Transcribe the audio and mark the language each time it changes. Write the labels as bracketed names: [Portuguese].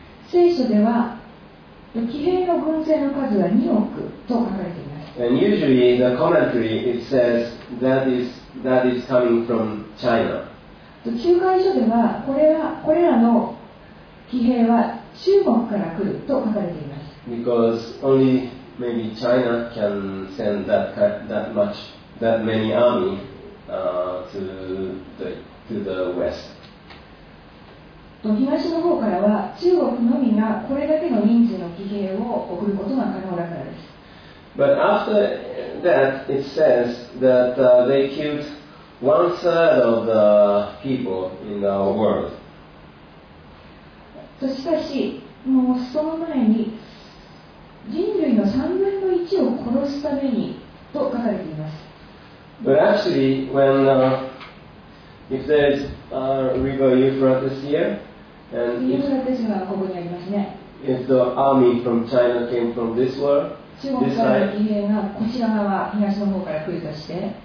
[Japanese] 聖書では騎兵の軍勢の数は2億と書かれています。 [English] And usually in the commentary it says that is coming from China. [Japanese] 仲介書ではこれらの騎兵は中国から来ると書かれています。 [English] Because only maybe China can send that much that many army to the west. [Japanese] と東の方からは中国のみがこれだけの人数の騎兵を送ることが可能だからです。 [English] But after that, it says that they killed one third of the people in the world. [Japanese] そしかし、もうその前に人類の3分の1を殺すためにと書かれています。 [English] But actually, when if there is a river Euphrates here, and [Japanese] Euphrates はここにありますね。 [English] If the army from China came from this world, [Japanese] 中国からの騎兵がこちら側、東の方から来るとして、